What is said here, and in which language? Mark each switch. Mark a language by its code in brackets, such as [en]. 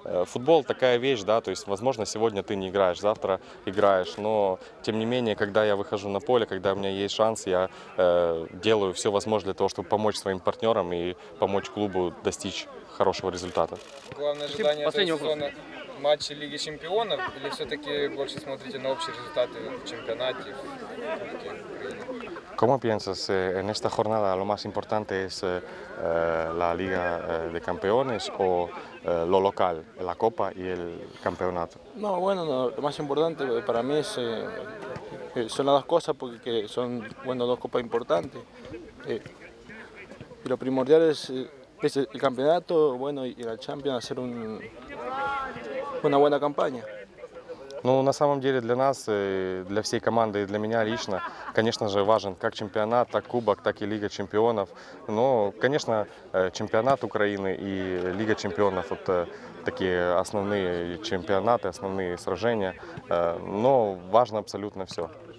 [ru] Футбол – такая вещь, да, то есть, возможно, сегодня ты не играешь, завтра играешь, но, тем не менее, когда я выхожу на поле, когда у меня есть шанс, я делаю все возможное для того, чтобы помочь своим партнерам и помочь клубу достичь хорошего результата. Главное ожидание последний этой сезона – матчи Лиги Чемпионов или все-таки больше смотрите на общие результаты в чемпионате? [es] ¿Cómo piensas en esta jornada? ¿Lo más importante es la Liga de Campeones o lo local, la Copa y el Campeonato? No, bueno, no, lo más importante para mí es, son las dos cosas porque que son bueno, dos copas importantes. Y lo primordial es el campeonato bueno, y la Champions, hacer un, una buena campaña. [ru] Ну, на самом деле, для нас, для всей команды и для меня лично, конечно же, важен как чемпионат, так кубок, так и Лига чемпионов. Но, конечно, чемпионат Украины и Лига чемпионов – вот такие основные чемпионаты, основные сражения. Но важно абсолютно все.